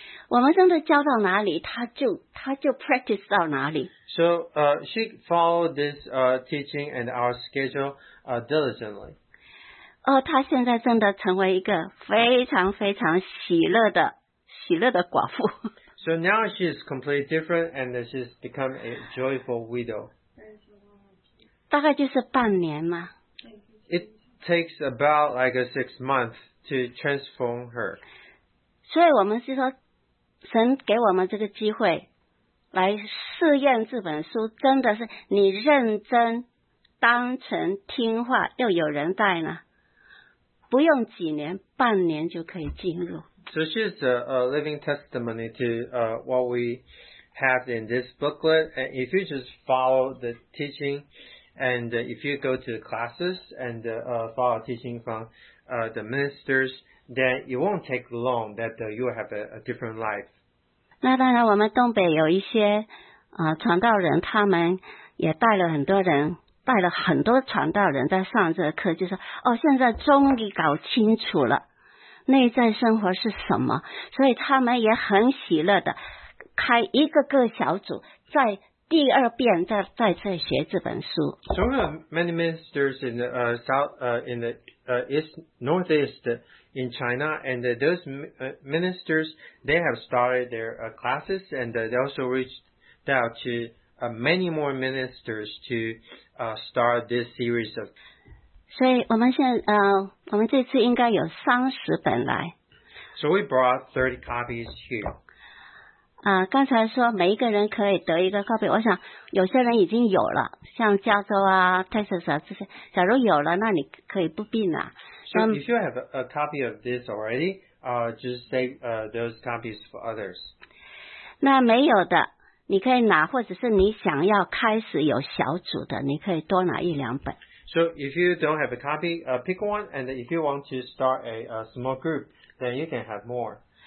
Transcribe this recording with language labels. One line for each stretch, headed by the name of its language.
Chinese: 我们真的教到哪里她就 practice 到哪里。
English: So she followed this teaching and our schedule diligently.
Chinese: 她现在真的成为一个非常非常喜乐的寡妇。
English: So now she is completely different and she's become a joyful widow.
Chinese: 大概就是半年嘛。
English: It takes about like a 6 months to transform her.
Chinese: 所以我们是说神给我们这个机会来试验这本书，真的是你认真当成听话，又有人带呢，不用几年，半年就可以进入。
English: So she's a living testimony to what we have in this booklet. And if you just follow the teaching, and if you go to classes and follow teaching from the ministers, then it won't take long that you will have a different life.
Chinese: 那当然，我们东北有一些传道人，他们也带了很多人。带了很多传道人在上这个课，就是哦，现在终于搞清楚了内在生活是什么，所以他们也很喜乐的开一个个小组，在第二遍再学这本书。
English: So we have many ministers in the northeast in China, and those ministers they have started their classes, and they also reached out to many more ministers to start this series of.
Chinese: 所以我们现在我们这次应该有30本来。
English: So we brought 30 copies here.
Chinese: 刚才说每一个人可以得一个 copy， 我想有些人已经有了，像加州啊、Texas 啊这些，假如有了，那你可以不必拿。
English: So if you have a copy of this already, just save those copies for others.
Chinese: 那没有的。你可以拿，或者是你想要开始有小组的，你可以多拿一两本。
English: So if you don't have a copy, pick one, and if you want to start a small group, then you can have more.